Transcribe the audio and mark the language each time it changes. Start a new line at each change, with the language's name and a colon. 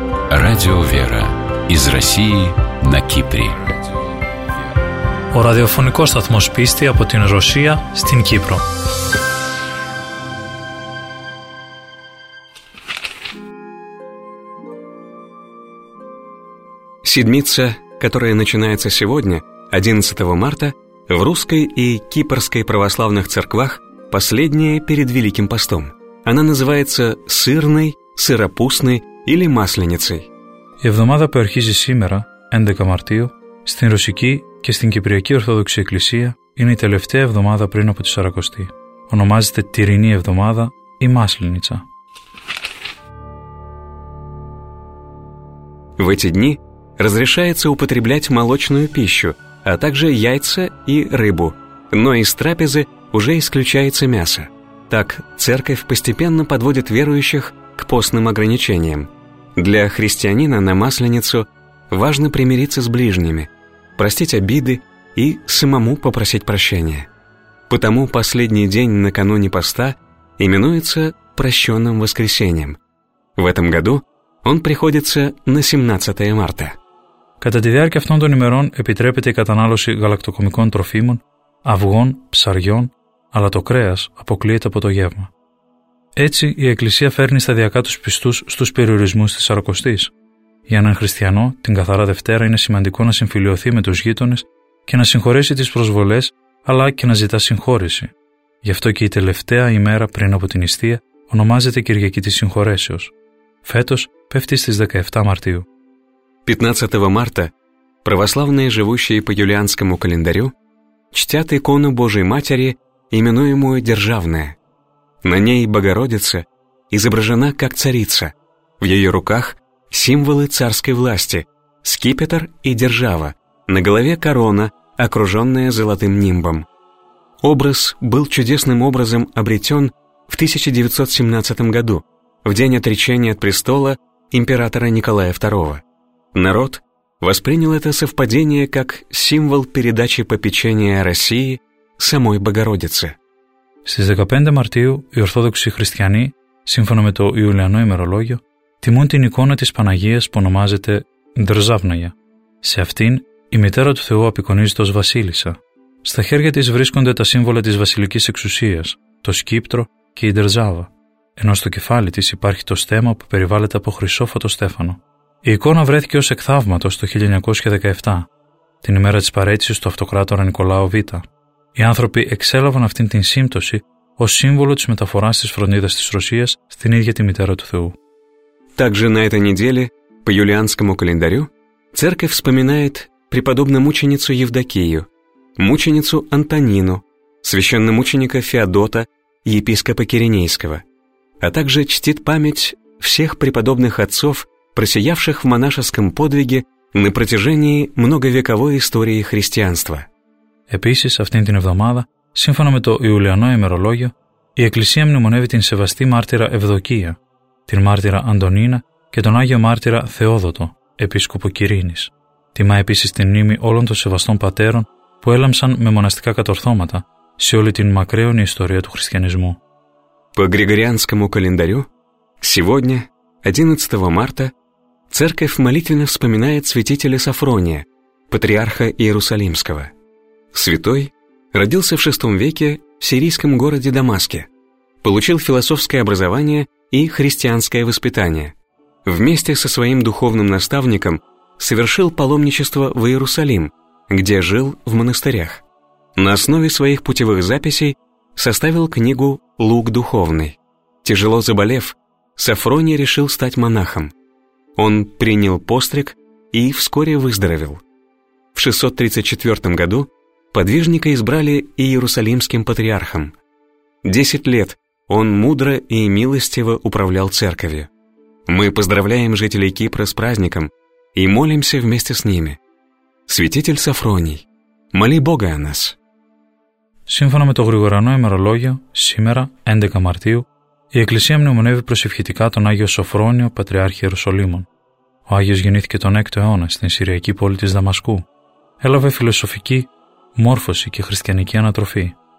Russian: Радио «Вера» из России на Кипре.
Greek: Ο ραδιοφωνικός σταθμός πίστη από την Ρωσία στην Κύπρο.
Russian: Седмица, которая начинается сегодня, 11 марта, в русской и кипрской православных церквах последняя перед Великим постом. Она называется «Сырной», «Сыропустной» или «Масленицей».
Greek: Εβδομάδα που αρχίζει σήμερα, 11 Μαρτίου, στην Ρωσική και στην Κυπριακή Ορθόδοξη Εκκλησία, είναι η τελευταία εβδομάδα πριν από τη Σαρακοστή. Ονομάζεται Τυρινή Εβδομάδα ή Μάσλινιτσα.
Russian: В эти дни разрешается употреблять молочную пищу, а также яйца и рыбу. Но из трапезы уже исключается мясо. Так церковь постепенно подводит верующих к постным ограничениям. Для христианина на Масленицу важно примириться с ближними, простить обиды и самому попросить прощения. Потому последний день накануне поста именуется «Прощенным воскресением». В этом году он приходится на 17 марта.
Greek: Κατά τη διάρκεια αυτών των ημερών επιτρέπεται η κατανάλωση γαλακτοκομικών τροφίμων, αυγών, ψαριών, αλλά το κρέας αποκλείεται από το γεύμα. Έτσι, η Εκκλησία φέρνει σταδιακά τους πιστούς στους περιορισμούς της Σαρακοστής. Για έναν χριστιανό, την Καθαρά Δευτέρα είναι σημαντικό να συμφιλειωθεί με τους γείτονες και να συγχωρέσει τις προσβολές, αλλά και να ζητά συγχώρεση. Γι' αυτό και η τελευταία ημέρα πριν από την νηστεία ονομάζεται Κυριακή της Συγχωρέσεως. Φέτος πέφτει στις 17 Μαρτίου.
Russian: 15 марта православные, живущие по юлианскому календарю, чтят икону Божией Матери, именуемую Державная. На ней Богородица изображена как царица. В ее руках символы царской власти – скипетр и держава, на голове корона, окруженная золотым нимбом. Образ был чудесным образом обретен в 1917 году, в день отречения от престола императора Николая II. Народ воспринял это совпадение как символ передачи попечения России самой Богородице.
Greek: Στις 15 Μαρτίου οι Ορθόδοξοι Χριστιανοί, σύμφωνα με το Ιουλιανό ημερολόγιο, τιμούν την εικόνα της Παναγίας που ονομάζεται Ντρζάβναγια. Σε αυτήν η μητέρα του Θεού απεικονίζεται ως βασίλισσα. Στα χέρια της βρίσκονται τα σύμβολα της βασιλικής εξουσίας, το σκύπτρο και η Ντρζάβα, ενώ στο κεφάλι της υπάρχει το στέμα που περιβάλλεται από χρυσόφωτο στέφανο. Η εικόνα βρέθηκε ως εκ θαύματος το 1917, την ημέρα της παραίτησης του αυτοκράτορα Νικολάου Β. Οι άνθρωποι εξέλαβαν αυτήν την σύμπτωση ως σύμβολο της μεταφοράς της φροντίδας της Ρωσίας στην ίδια τη Μητέρα του Θεού.
Russian: Также на этой неделе по юлианскому календарю церковь вспоминает преподобную мученицу Евдокию, мученицу Антонину, священномученика Феодота, епископа Киренейского, а также чтит память всех преподобных отцов, просиявших в монашеском подвиге на протяжении многовековой истории христианства.
Greek: Επίσης, αυτήν την εβδομάδα, σύμφωνα με το Ιουλιανό ημερολόγιο, η Εκκλησία μνημονεύει την σεβαστή μάρτυρα Ευδοκία, την μάρτυρα Αντωνίνα και τον Άγιο Μάρτυρα Θεόδοτο, επίσκοπο Κυρίνης. Τιμά επίσης την μνήμη όλων των σεβαστών πατέρων που έλαμψαν με μοναστικά κατορθώματα σε όλη την μακραίωνη ιστορία του χριστιανισμού.
Russian: По Григорианскому календарю, сегодня, 11 марта, церковь молитвенно вспоминает святителя Сафрония, патриарха Иерусалимского. Святой родился в VI веке в сирийском городе Дамаске, получил философское образование и христианское воспитание. Вместе со своим духовным наставником совершил паломничество в Иерусалим, где жил в монастырях. На основе своих путевых записей составил книгу «Лук духовный». Тяжело заболев, Сафроний решил стать монахом. Он принял постриг и вскоре выздоровел. В 634 году подвижника избрали иерусалимским патриархом. 10 лет он мудро и милостиво управлял церковью. Мы поздравляем жителей Кипра с праздником и молимся вместе с ними. Святитель Сафроний, моли Бога о нас.
Greek: Σύμφωνα με το Γρηγοριανό ημερολόγιο, σήμερα, 11 Μαρτίου, η Εκκλησία μνημονεύει προσευχητικά τον Άγιο Σοφρόνιο, Πατριάρχη Ιερουσαλήμων. Ο Άγιος γεννήθηκε τον 6ο αιώνα στην Συριακή πόλη της Δαμασκού. Έλαβε φιλοσοφική μόρφωση και χριστιανική ανατροφή.